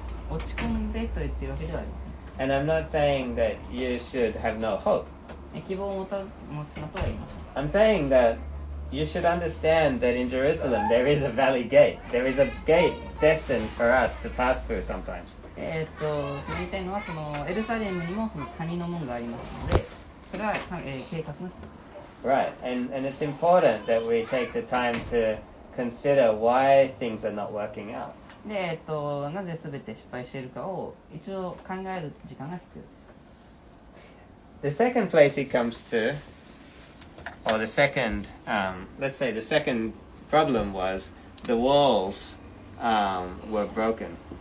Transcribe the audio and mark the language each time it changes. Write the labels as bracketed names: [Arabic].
[Japanese] 落ち込んでと言ってるわけではありません。 [English] And I'm not saying that you should have no hope. [Japanese] 希望を持つなとは言いません。 [English] I'm saying that You should understand that in Jerusalem there is a valley gate. There is a gate destined for us to pass through sometimes. [Japanese] 言いたいのはそのエルサレムにもその谷の門がありますので、それは、計画の。 [English] Right, and it's important that we take the time to consider why things are not working out. [Japanese] で、なぜ全て失敗しているかを一応考える時間が必要。 [English] The second place he comes to, or the second, let's say the second problem was the walls, were broken.